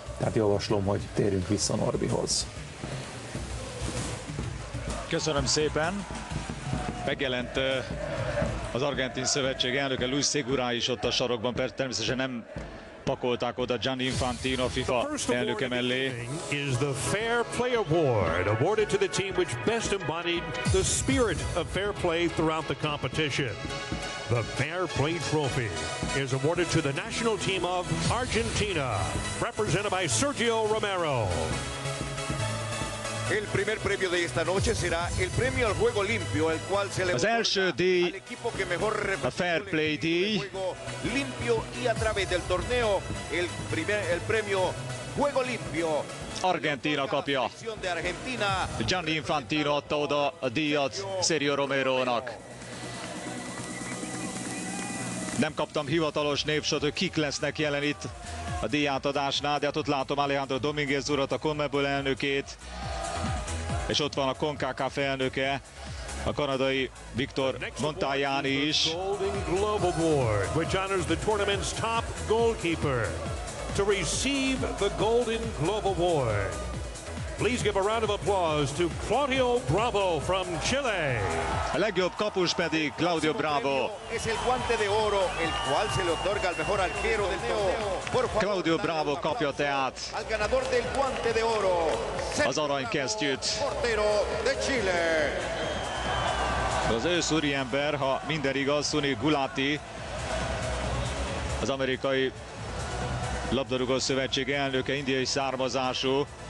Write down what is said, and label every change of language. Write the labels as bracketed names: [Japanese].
[Hungarian] Tehát javaslom, hogy térjünk vissza Norbihoz. Köszönöm szépen. Megjelent az argentin szövetség elnöke, Luis Segura is ott a sarokban, persze természetesen nem pakolták oda Gianni Infantino FIFA elnöke mellé. [English] Is the Fair Play Award awarded to the team which best embodied the spirit of fair play throughout the competition. The Fair Play Trophy is awarded to the national team of Argentina, represented by Sergio Romero. [Spanish] El primer premio de esta noche será el premio al juego limpio, el cual se le otorga al equipo que mejor representa el Fair Play D. Juego limpio y a través del torneo el premio juego limpio. [Hungarian] Argentina kapja. Gianni Infantino adta oda a díjat Sergio Romero-nak. Nem kaptam hivatalos névsort, hogy kik lesznek jelen itt a díjátadásnál, de hát ott látom Alejandro Dominguez urat, a CONMEBOL elnökét, és ott van a CONCACAF elnöke, a kanadai Victor Montagnani is. [English] A Golden Globe Award, which honors the tournament's top goalkeeper, to receive the Golden Globe Award. Please give a round of applause to Claudio Bravo from Chile. [Hungarian] A legjobb kapus pedig Claudio Bravo. [Spanish] Es el guante de oro el cual se le otorga al mejor arquero del torneo. [Hungarian] Claudio Bravo kapja teát. [Spanish] Al ganador del guante de oro. [Hungarian] Az aranykesztyűt. [Spanish] Portero de Chile. [Hungarian] Az ősz úriember, ha minden igaz, Sunil Gulati, az amerikai labdarúgó szövetség elnöke, indiai származású.